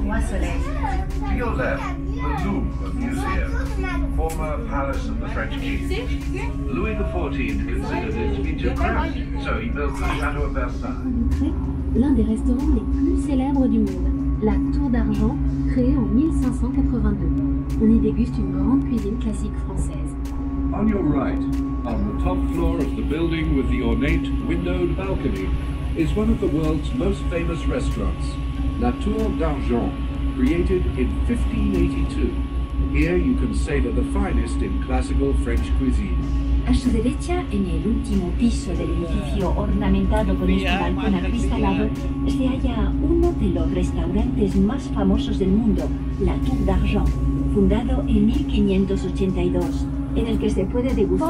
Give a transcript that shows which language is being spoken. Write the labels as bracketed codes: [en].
[en] To your left, the Louvre Museum, former palace of the French king. Louis XIV considered it to be too cramped, so he built the Chateau of Versailles. [fr] L'un des restaurants les plus célèbres du monde, la Tour d'Argent, créée en 1582. On y déguste une grande cuisine classique française. [en] On your right, on the top floor of the building with the ornate windowed balcony, is one of the world's most famous restaurants, La Tour d'Argent, created in 1582. Here you can savor the finest in classical French cuisine. [es] A su derecha, en el último piso del edificio ornamentado con este balcón acristalado, se halla uno de los restaurantes más famosos del mundo, la Tour d'Argent, fundado en 1582, en el que se puede degustar.